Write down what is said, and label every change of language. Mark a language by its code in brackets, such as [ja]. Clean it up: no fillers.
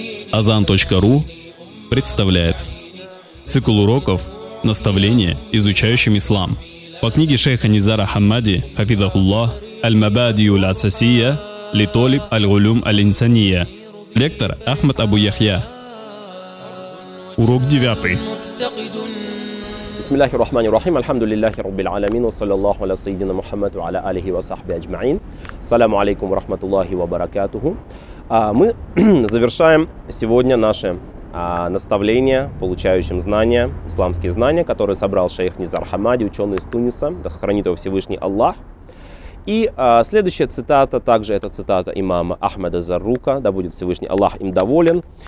[ru] Азан.ру представляет цикл уроков «Наставления изучающим ислам» по книге шейха Низара Хаммади «Хафидахуллах Аль-Мабадию Ла-Сасия Литолиб Аль-Гулюм Аль-Инсания» лектор Ахмад Абу Яхья. Урок 9. [ar] بسم الله الرحمن الرحيم الحمد لله رب العالمين وصلى الله على سيدنا محمد وعلى آله وصحبه أجمعين السلام عليكم ورحمة الله وبركاته. [ru] Мы завершаем сегодня наше наставление получающим знания, исламские знания, которые собрал шейх Низар Хаммади, ученый из Туниса, да сохранит его Всевышний Аллах. И следующая цитата, также это цитата имама Ахмада Заррука, да будет Всевышний Аллах им доволен.